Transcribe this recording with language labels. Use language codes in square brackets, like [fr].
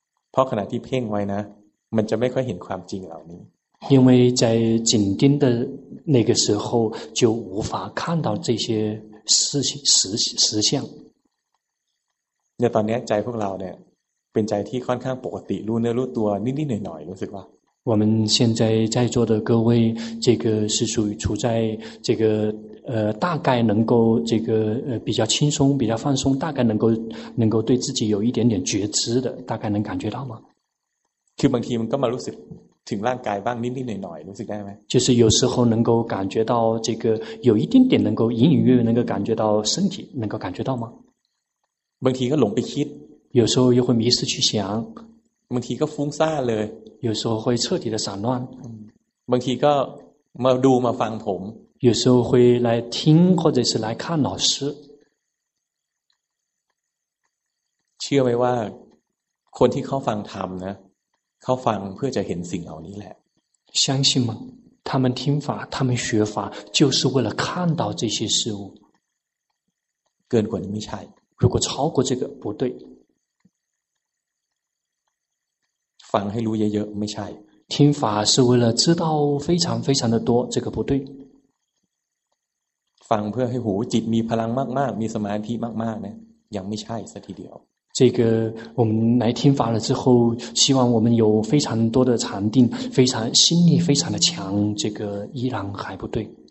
[th] เพราะขณะที่เพ่งไว้นะมันจะไม่ค่อยเห็นความจริงเหล่านี้ [zh] 因为在紧盯的那个时候就无法看到这些实相 [th] 那ตอนนี้ใจพวกเราเนี่ยเป็นใจที่ค่อนข้างปกติรู้เนื้อรู้ตัวนิดๆหน่อยๆรู้สึกว่า [zh] 我们现在在座的各位这个是属于处在这个大概能够这个比较轻松比较放松大概能够对自己有一点点觉知的大概能感觉到吗 [th] คือบางทีมันก็มารู้สึกถึงร่างกายบ้างนิดๆหน่อยๆรู้สึกได้ไหม [zh] 就是有时候能够感觉到这个有一点点能够隐隐约约能够感觉到身体能够感觉到吗 [th] บางทีก็หลงไปคิด [zh] 有时候又会迷失去想 [th] บางทีก็ฟุ้งซ่านเลย [zh] 有时候会彻底的散乱 [th] บางทีก็มาดูมาฟังผม [zh] 有时候会来听或者是来看老师 [th] เชื่อไหมว่าคนที่เขาฟังธรรมนะเขาฟังเพื่อจะเห็นสิ่งเหล่านี้แหละ [zh] 相信吗他们听法他们学法就是为了看到这些事物 [th] เกินกว่านี้ไม่ใช่ [zh] 如果超过这个不对 [th] ฟังให้รู้เยอะๆไม่ใช่ [zh] 听法是为了知道非常非常的多这个不对 [th] ฟังเพื่อให้หูจิตมีพลังมากๆมีสมาธิมากๆนะยังไม่ใช่สักทีเดียว [zh] 这个我们来听法了之后希望我们有非常多的禅定非常心力非常的强这个依然还不对